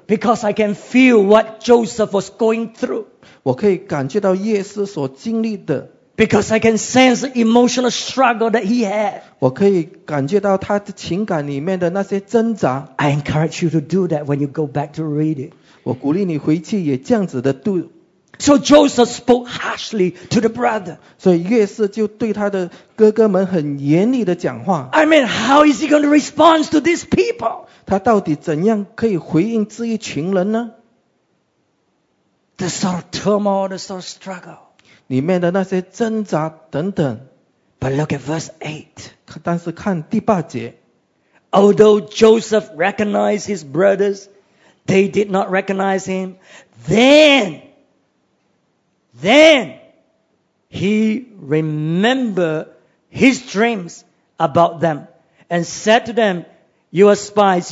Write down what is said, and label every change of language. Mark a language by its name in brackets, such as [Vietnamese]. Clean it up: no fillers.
[English] Because I can feel what Joseph was going through. [Chinese] 我可以感觉到耶稣所经历的。 [English] Because I can sense the emotional struggle that he had. [Chinese] 我可以感觉到他的情感里面的那些挣扎。 [English] I encourage you to do that when you go back to read it. [Chinese] 我鼓励你回去也这样子的读。 [English] So Joseph spoke harshly to the brother. [Chinese] 所以约瑟就对他的哥哥们很严厉的讲话。 [English] I mean, how is he going to respond to these people? [Chinese] 他到底怎样可以回应这一群人呢？ [English] The sort of turmoil, the sort of struggle. [Chinese] 里面的那些挣扎等等。 [English] But look at verse 8. [Chinese] 但是看第八节。 [English] Although Joseph recognized his brothers, they did not recognize him. Then he remembered his dreams about them and said to them, "You are spies.